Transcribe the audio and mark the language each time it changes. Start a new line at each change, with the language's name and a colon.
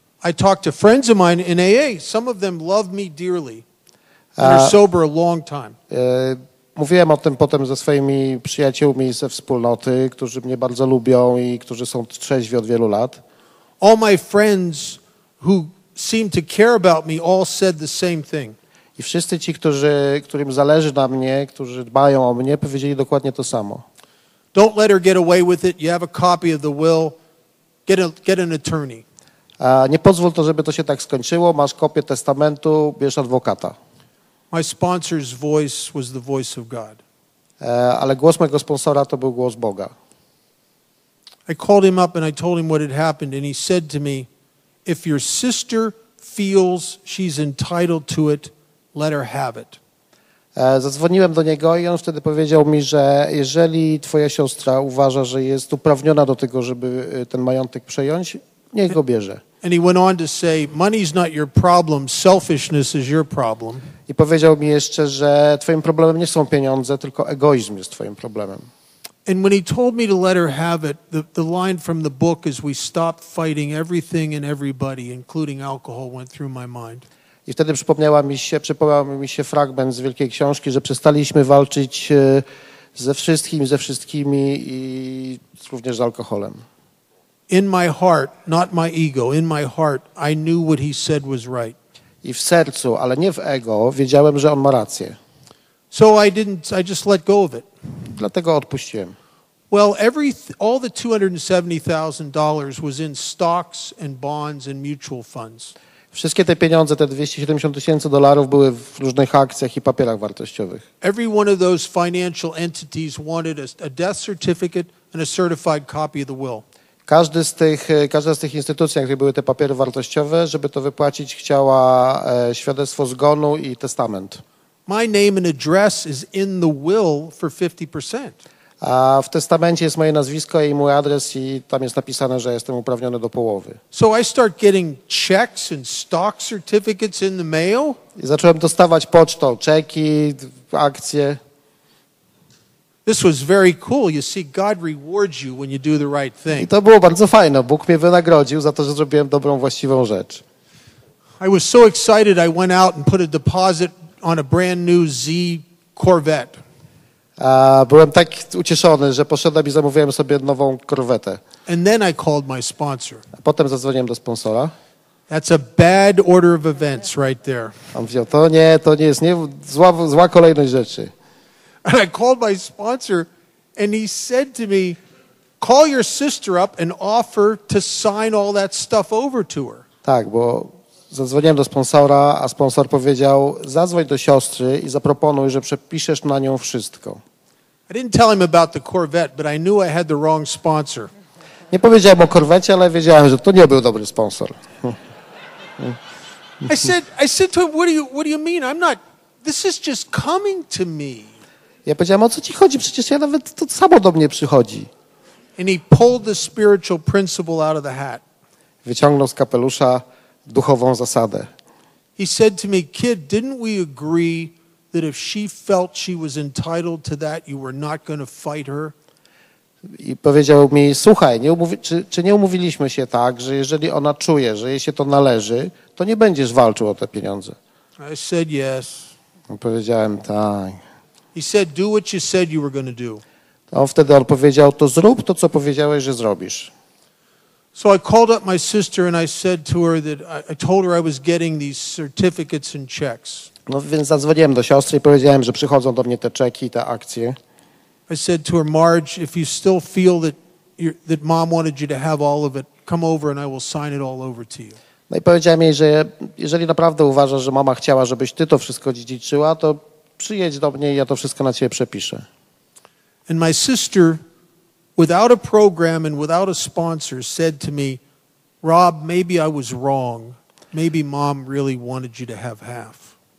English: I talked to friends of mine in AA. Some of them love me dearly. And are sober a long time.
Polish: Mówiłem o tym potem ze swoimi przyjaciółmi ze wspólnoty, którzy mnie bardzo lubią i którzy są trzeźwi od wielu lat.
English: All my friends who seem to care about me all said the same thing.
Polish: I wszyscy ci, którym zależy na mnie, którzy dbają o mnie, powiedzieli dokładnie to samo.
English: Don't let her get away with it. You have a copy of the will. Get an attorney.
Polish: Nie pozwól to, żeby to się tak skończyło. Masz kopię testamentu, bierz adwokata.
English: My sponsor's voice was the voice of God.
Polish: Ale głos mojego sponsora to był głos Boga.
English: I called him up and I told him what had happened, and he said to me, "If your sister feels she's entitled to it, let her have it."
Polish: Zadzwoniłem do niego i on wtedy powiedział mi, że jeżeli twoja siostra uważa, że jest uprawniona do tego, żeby ten majątek przejąć, niech go bierze.
English: And he went on to say, "Money's not your problem, selfishness is your problem."
Polish: I powiedział mi jeszcze, że twoim problemem nie są pieniądze, tylko egoizm jest twoim problemem.
English: And when he told me to let her have it, the line from the book is, "We stopped fighting everything and everybody, including alcohol," went through my mind.
Polish: I wtedy przypomniał mi się fragment z Wielkiej Książki, że przestaliśmy walczyć ze wszystkimi i również z alkoholem.
English: In my heart, not my ego, in my heart, I knew what he said was right.
Polish: I w sercu, ale nie w ego, wiedziałem, że on ma rację.
English: So I just let go of it.
Polish: Dlatego odpuściłem.
English: Well, all the $270,000 was in stocks and bonds and mutual funds.
Polish: Wszystkie te pieniądze, te $270,000 były w różnych akcjach i papierach wartościowych.
English: Every one of those financial entities wanted a death certificate and a certified copy of the will.
Polish: Każda z tych instytucji, jak były te papiery wartościowe, żeby to wypłacić, chciała świadectwo zgonu i testament.
English: My name and address is in the will for 50%.
Polish: A w testamencie jest moje nazwisko i mój adres i tam jest napisane, że jestem uprawniony do połowy.
English: So I start getting checks and stock certificates in the mail.
Polish: I zacząłem dostawać pocztą czeki, akcje.
English: This was very cool. You see, God rewards you when you do the right thing.
Polish: I to było bardzo fajne. Bóg mnie wynagrodził za to, że zrobiłem dobrą, właściwą rzecz.
English: I was so excited. I went out and put a deposit on a brand new Z Corvette.
Polish: Byłem tak ucieszony, że poszedłem i zamówiłem sobie nową korwetę.
English: And then I called my sponsor.
Polish: A potem zadzwoniłem do sponsora.
English: That's a bad order of events right there.
Polish: On powiedział, to nie jest zła kolejność rzeczy.
English: And I called my sponsor and he said to me, "Call your sister up and offer to sign all that stuff over to her."
Polish: Tak, bo zadzwoniłem do sponsora, a sponsor powiedział, zadzwoń do siostry i zaproponuj, że przepiszesz na nią wszystko.
English: I didn't tell him about the Corvette, but I knew I had the wrong sponsor.
Polish: Nie powiedziałem o Corvette, ale wiedziałem, że to nie był dobry sponsor.
English: I said to him, what do you mean? I'm not, this is just coming to me.
Polish: Ja powiedziałem, o co ci chodzi? Przecież ja nawet to samo do mnie przychodzi.
English: And he pulled the spiritual principle out of the hat.
Polish: Wyciągnął z kapelusza duchową zasadę.
English: He said to me, "Kid, didn't we agree that if she felt she was entitled to that, you were not going to fight her?"
Polish: I powiedział mi, słuchaj, czy nie umówiliśmy się tak, że jeżeli ona czuje, że jej się to należy, to nie będziesz walczył o te pieniądze.
English: I said yes.
Polish: Powiedziałem tak.
English: He said, do what you said you were going to do.
Polish: On wtedy odpowiedział, to zrób to, co powiedziałeś, że zrobisz.
English: So I called up my sister and I said to her that I told her I was getting these certificates and checks.
Polish: No więc zadzwoniłem do siostry i powiedziałem, że przychodzą do mnie te czeki i te akcje.
English: I said to her, Marge, if you still feel that mom wanted you to have all of it, come over and I will sign it all over to you.
Polish: No i powiedziałem jej, że jeżeli naprawdę uważasz, że mama chciała, żebyś ty to wszystko dziedziczyła, to przyjedź do mnie i ja to wszystko na ciebie przepiszę.
English: And my sister, without a program and without a sponsor, said to me, Rob, maybe I was wrong. Maybe mom really wanted you to have half.